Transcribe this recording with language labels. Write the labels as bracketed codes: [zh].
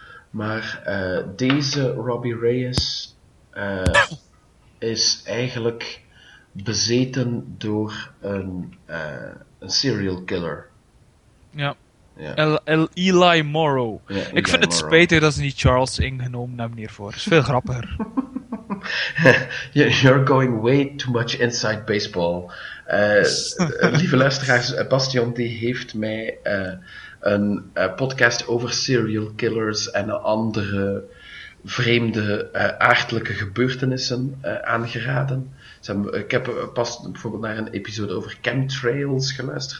[nl] Maar deze Robbie Reyes is eigenlijk bezeten door een serial killer. Ja. Yeah. Eli Morrow. Yeah, ik vind het spijtig dat ze niet Charles Ng genomen hebben hiervoor. Is veel grappiger. [en] You're going way too much inside baseball. [nl] lieve luisteraars, Bastian die heeft mij een podcast over serial killers en andere vreemde aardelijke gebeurtenissen aangeraden. Ik heb pas bijvoorbeeld naar een episode over chemtrails geluisterd.